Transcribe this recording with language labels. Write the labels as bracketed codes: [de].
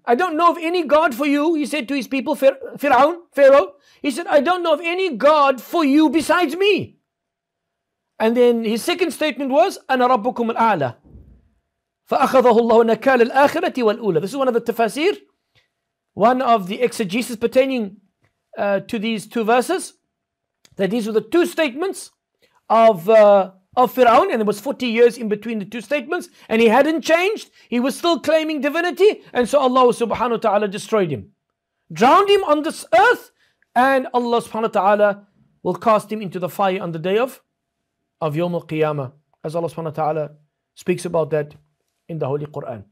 [en] I don't know of any God for you, he said to his people, Fir'aun, Pharaoh. He said, I don't know of any God for you besides me. And then his second statement was, [ar] أَنَا رَبُّكُمْ الْأَعْلَى فَأَخَذَهُ اللَّهُ نَكَالَ الْآخِرَةِ وَالْأُولَى. [en] This is one of the tafasir, one of the exegesis pertaining to these two verses, that these were the two statements of Fir'aun, and there was 40 years in between the two statements, and he hadn't changed, he was still claiming divinity, and so Allah subhanahu wa ta'ala destroyed him, drowned him on this earth, and Allah subhanahu wa ta'ala will cast him into the fire on the day of Yawm al-Qiyamah, as Allah subhanahu wa ta'ala speaks about that in the Holy Quran.